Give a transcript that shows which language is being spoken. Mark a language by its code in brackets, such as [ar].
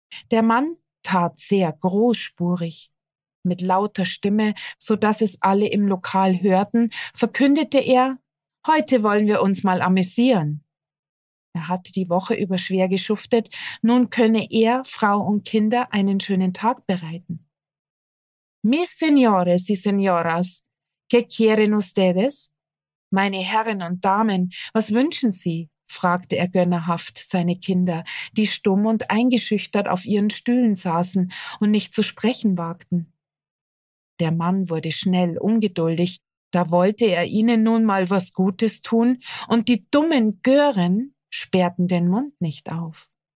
[de] Der Mann tat sehr großspurig. Mit lauter Stimme, so dass es alle im Lokal hörten, verkündete er, heute wollen wir uns mal amüsieren. Er hatte die Woche über schwer geschuftet, nun könne er, Frau und Kinder, einen schönen Tag bereiten. [es] Mis señores y señoras, ¿qué quieren ustedes? [de] Meine Herren und Damen, was wünschen Sie? Fragte er gönnerhaft seine Kinder, die stumm und eingeschüchtert auf ihren Stühlen saßen und nicht zu sprechen wagten. Der Mann wurde schnell ungeduldig, da wollte er ihnen nun mal was Gutes tun, und die dummen Gören sperrten den Mund nicht auf.